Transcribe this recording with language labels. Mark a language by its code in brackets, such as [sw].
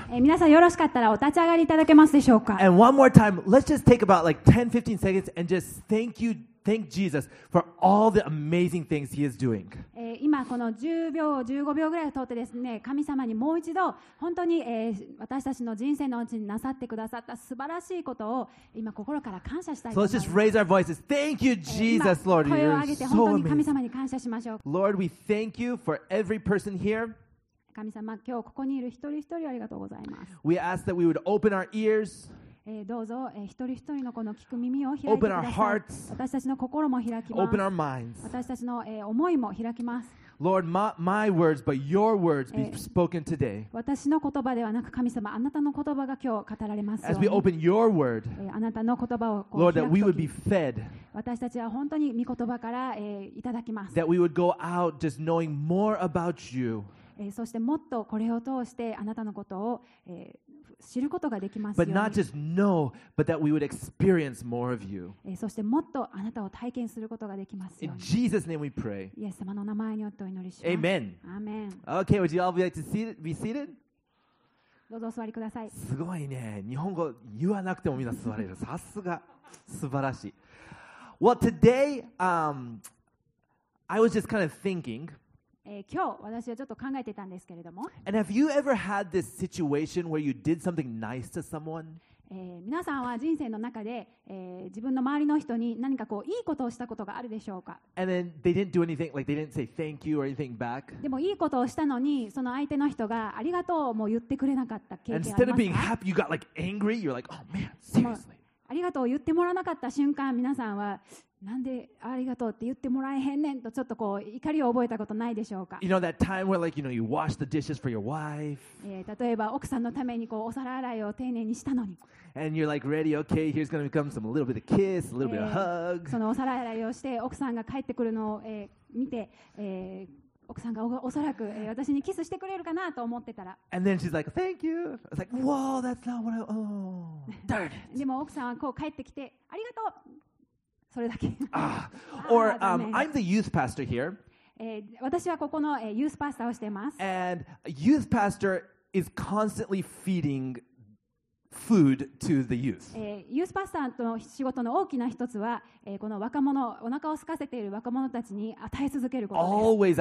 [ja] 皆さんよろしかったらお立ち上がりいただけますでしょうか? [en] And one more time, let's just take about like 10, 15 seconds and just thank you, thank Jesus for all the amazing things He is doing. [ja] 今この10秒、15秒ぐらいを通ってですね、神様にもう一度本当に私たちの人生のうちになさってくださった素晴らしいことを今心から感謝したいと思います。 [en] So let's just raise our voices. Thank you, Jesus, Lord. [ja] 声を上げて本当に神様に感謝しましょう。 [en] Lord, we thank you for every person here. [ja] 神様、今日ここにいる一人一人ありがとうございます。 [en] We ask that we would open our ears. [ja] どうぞ、一人一人のこの聞く耳を開いてください。私たちの心も開きます。 [en] Open our minds. [ja] 私たちの思いも開きます。 [en] Lord, my words, but your words be spoken today. [ja] 私の言葉ではなく、神様、あなたの言葉が今日語られますように。 [en] As we open your word, [ja] あなたの言葉を開くとき、 [en] Lord, that we would be fed. [ja] 私たちは本当に御言葉からいただきます。 [en] That we would go out just knowing more about you. [ja] そしてもっとこれを通してあなたのことを知ることができますように。 [en] But not just know, but that we would experience more of you. [ja] そしてもっとあなたを体験することができますように。 [en] In Jesus' name we pray. [ja] イエス様の名前によってお祈りします。 [en] Amen. Amen. Okay, would you all like to be seated? [ja] どうぞお座りください。すごいね。日本語言わなくてもみんな座れる。さすが。素晴らしい。 [en] Well, today, I was just kind of thinking. [ja] 今日私はちょっと考えてたんですけれども。 [en] And have you ever had this situation where you did something nice to someone? [ja] 皆さんは人生の中で、自分の周りの人に何かこういいことをしたことがあるでしょうか? [en] And then they didn't do anything, like they didn't say thank you or anything back. [ja] でもいいことをしたのにその相手の人がありがとうも言ってくれなかった経験あります [en] か? Instead of being happy, you got like angry. You're like, oh man, seriously. [ja] ありがとうを言ってもらわなかった瞬間、皆さんは。なんでありがとうって言ってもらえへんねんとちょっとこう怒りを覚えたことないでしょうか。 [en] You know that time where like you know you wash the dishes for your wife. [ja] 例えば奥さんのためにこうお皿洗いを丁寧にしたのに。 [en] And you're like ready, okay, here's gonna become some little bit of kiss, a little bit of hug. [ja] そのお皿洗いをして奥さんが帰ってくるのを見て、奥さんがおそらく私にキスしてくれるかなと思ってたら。 [en] And then she's like, thank you. I was like, whoa, that's not what I. Oh, darn it. [ja] でも奥さんはこう帰ってきてありがとう。それだけ。 [en] Or I'm the youth pastor here. [ja] 私はここのユースパスターをしています。 [en] And a youth pastor is constantly feeding food to the youth. [ja] ユースパスターの仕事の大きな一つは、この若者、お腹を空かせている若者たちに与え続けることです。